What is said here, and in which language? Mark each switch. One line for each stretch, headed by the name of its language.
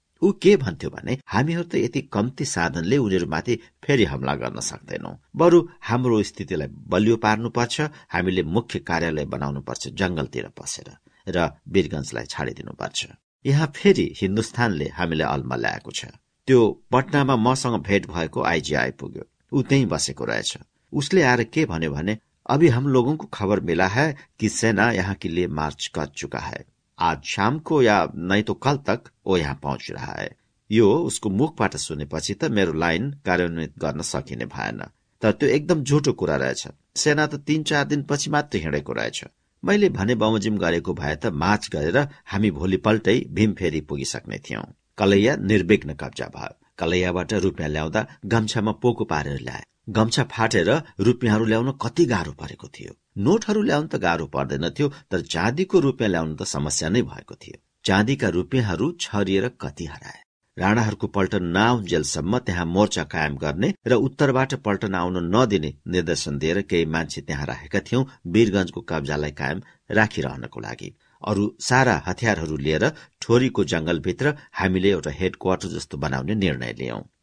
Nepali: ऊ के भन्थ्यो भने हामीहरू त यति कम्ती साधनले उनीहरूमाथि फेरि हमला गर्न सक्दैनौ, बरु हाम्रो स्थितिलाई बलियो पार्नुपर्छ, हामीले मुख्य कार्यालय बनाउनुपर्छ जंगलतिर पसेर र वीरगंजलाई छाडिदिनुपर्छ। यहाँ फेरि हिन्दुस्तानले हामीलाई अल्मा ल्याएको छ। त्यो पटनामा मसँग भेट भएको आइजी आइपुग्यो, ऊ त्यही बसेको रहेछ। उसले आएर के भन्यो भने
Hindi: अभी हम लोगों को खबर मिला है कि सेना यहाँ के लिए मार्च कर चुका है, आज शाम को या नहीं तो कल तक वो यहाँ पहुंच रहा है।
Nepali: यो उसको मुखबाट सुनेपछि त मेरो लाइन कार्यान्वित गर्न सकिने भएन। तर त्यो एकदम झुटो कुरा रहेछ, सेना त 3-4 दिन पछि मात्र हिँडेको रहेछ। मैले भने बमोजिम गरेको भए त मार्च गरेर हामी भोलिपल्टै भीमफेरी पुगिसक्ने थियौं। कलैया निर्विघ्न कब्जा भयो। कलैयाबाट रुपियाँ ल्याउँदा गम्छामा पोको पारेर ल्याए। गम्छा फाटेर रुपियाँहरू ल्याउन कति गाह्रो परेको थियो। नोटहरू ल्याउन त गाह्रो पर्दैन थियो, तर चाँदीको रुपियाँ ल्याउन त समस्या नै भएको थियो। चाँदीका रुपियाँहरू छरिएर कति हराए। राणाहरूको पल्टन नआउन्जेलसम्म त्यहाँ मोर्चा कायम गर्ने र उत्तरबाट पल्टन आउन नदिने निर्देशन दिएर केही मान्छे त्यहाँ राखेका थियौं, वीरगंजको कब्जालाई कायम राखिरहनको लागि। अरू सारा हतियारहरू लिएर ठोरीको जंगलभित्र हामीले एउटा हेडक्वार्टर जस्तो बनाउने निर्णय लियौं।